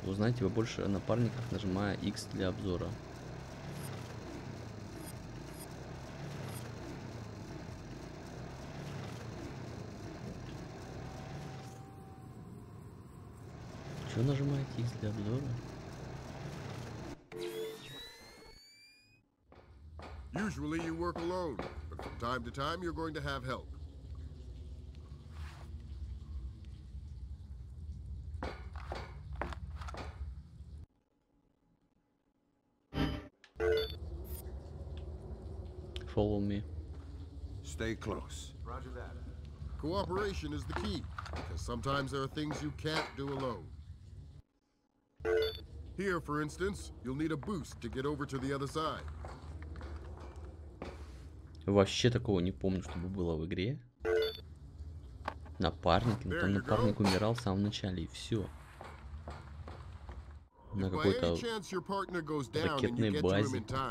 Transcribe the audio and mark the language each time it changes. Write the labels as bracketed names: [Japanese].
[Russian] Узнайте побольше о напарниках, нажимая X для обзора. Чё нажимаете X для обзора? [English] Usually you work alone, but from time to time you're going to have help. Follow me. Stay close. Roger that. Cooperation is the key, because sometimes there are things you can't do alone. Here, for instance, you'll need a boost to get over to the other side. [Russian] Вообще такого не помню, чтобы было в игре. Напарник, ну там напарник умирал в самом начале, и все. На какой-то ракетной базе.